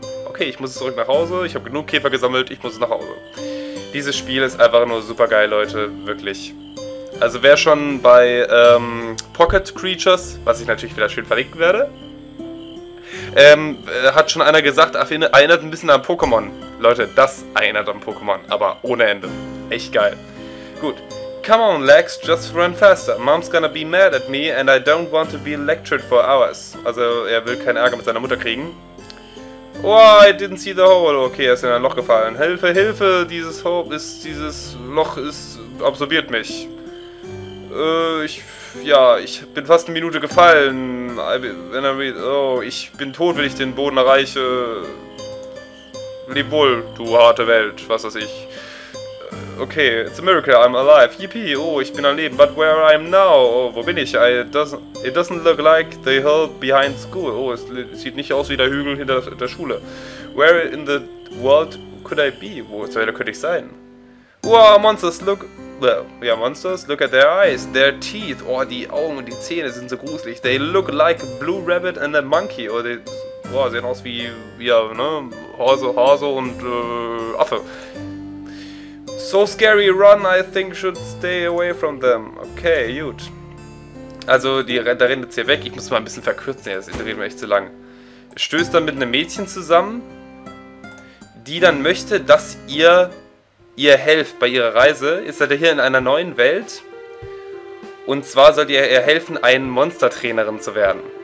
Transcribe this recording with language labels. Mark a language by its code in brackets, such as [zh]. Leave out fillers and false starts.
[de] Okay, ich muss zurück nach Hause, ich habe genug Käfer gesammelt, ich muss nach Hause. Dieses Spiel ist einfach nur super geil, Leute, wirklich. Also wer schon bei Pocket Creatures, was ich natürlich wieder schön verlinken werde, hat schon einer gesagt, erinnert ein bisschen an Pokémon. Leute, das erinnert an Pokémon, aber ohne Ende. Echt geil. Gut. [en] Come on, Lex, just run faster. Mom's gonna be mad at me and I don't want to be lectured for hours. [de] Also er will keinen Ärger mit seiner Mutter kriegen. [en] Oh, I didn't see the hole. [de] Okay, er ist in ein Loch gefallen. Hilfe, Hilfe! Dieses Loch absorbiert mich. Ich bin fast eine Minute gefallen. Ich bin tot, wenn ich den Boden erreiche. Leb wohl, du harte Welt, was weiß ich. [en] Okay, it's a miracle, I'm alive. [de] Yippie, oh, ich bin am Leben. [en] But where I am now? [de] Oh, wo bin ich? [en] It doesn't look like the hill behind school. [de] Oh, es sieht nicht aus wie der Hügel hinter der Schule. [en] Where in the world could I be? [de] Wo zur Hölle könnte ich sein? [en] Wow, Monsters, look... Monsters, look at their eyes. Their teeth. [de] Oh, die Augen und die Zähne sind so gruselig. [en] They look like a blue rabbit and a monkey. [de] Oh, sie sehen aus wie, Hase und Affe. [en] So scary, run, I think should stay away from them. [de] Okay, gut. Also, da rennt jetzt hier weg. Ich muss mal ein bisschen verkürzen, das Interview ist echt zu lang. Stößt dann mit einem Mädchen zusammen, die dann möchte, dass ihr helft bei ihrer Reise. Ist seid ihr hier in einer neuen Welt. Und zwar sollt ihr ihr helfen, eine Monstertrainerin zu werden.